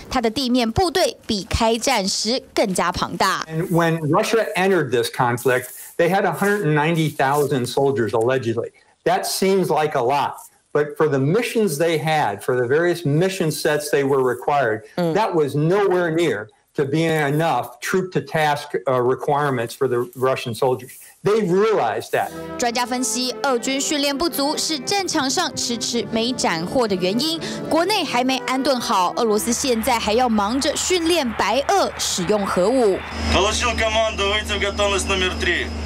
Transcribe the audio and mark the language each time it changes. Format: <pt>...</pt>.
<zh>面对俄军困境，似乎没有想收手的打算，甚至还继续派兵增援前线。他的地面部队比开战时更加庞大。</zh> <en>And when Russia entered this conflict, they had 190,000 soldiers allegedly. That seems like a lot. But for the missions they had, for the various mission sets they were required, that was nowhere near to being enough troop to task requirements for the Russian soldiers. They realized that.</en> <zh>专家分析，俄军训练不足是战场上迟迟没斩获的原因。国内还没安顿好，俄罗斯现在还要忙着训练白俄使用核武。</zh> <ru>Получил команду выйти в готовность номер три.</ru>